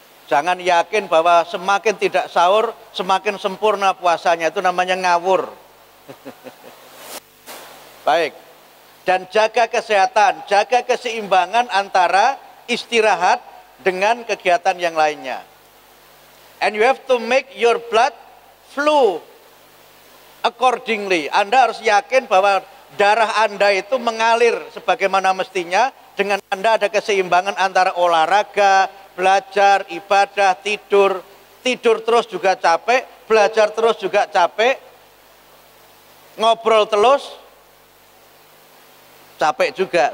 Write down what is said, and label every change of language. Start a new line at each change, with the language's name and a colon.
Indonesian: Jangan yakin bahwa semakin tidak sahur, semakin sempurna puasanya. Itu namanya ngawur. Baik. Dan jaga kesehatan, jaga keseimbangan antara istirahat dengan kegiatan yang lainnya.
English: And you have to make your blood flow accordingly.
Indonesian: Anda harus yakin bahwa darah Anda itu mengalir sebagaimana mestinya. Dengan Anda ada keseimbangan antara olahraga, belajar, ibadah, tidur. Tidur terus juga capek, belajar terus juga capek. Ngobrol terus, capek juga.